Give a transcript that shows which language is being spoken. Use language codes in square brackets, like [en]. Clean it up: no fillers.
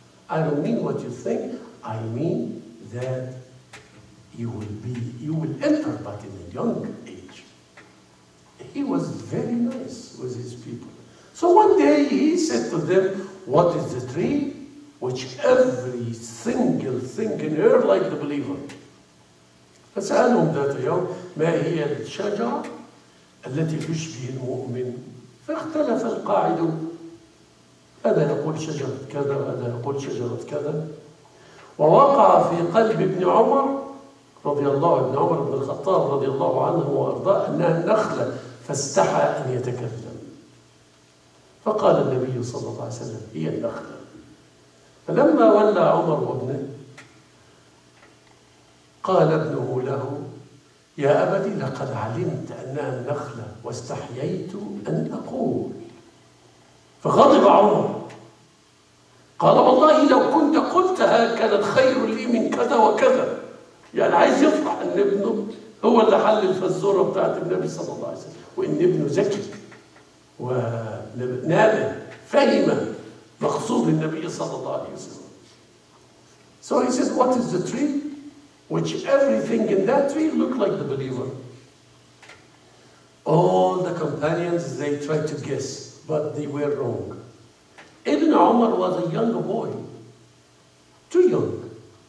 [en] I don't mean what you think. I mean that you will enter, but in a young age. He was very nice with his people. So one day he said to them, "What is the tree which every single thing in her like the believer?" [ar] فسألهم ذات يوم: ما هي الشجرة التي تشبه المؤمن؟ فاختلف القاعد. هذا يقول شجرة كذا، هذا يقول شجرة كذا. ووقع في قلب ابن عمر رضي الله عنه، ابن عمر بن الخطاب رضي الله عنه وأرضاه، أنها النخلة، فاستحى أن يتكلم. فقال النبي صلى الله عليه وسلم: هي النخلة. فلما ولى عمر وابنه قال ابنه له: يا أبتي، لقد علمت أنها النخلة واستحييت أن أقول. فغضب عمر، قال: والله لو كنت قلتها كانت خير لي من كذا وكذا. يعني عايز يفرح أن ابنه هو اللي حل الفزورة بتاعت النبي صلى الله عليه وسلم، وأن ابنه ذكي ونابه فهم مقصود النبي صلى الله عليه وسلم. [en] So he says, what is the tree? Which everything in that tree look like the believer. All the companions, they tried to guess, but they were wrong. Ibn Umar was a young boy, too young.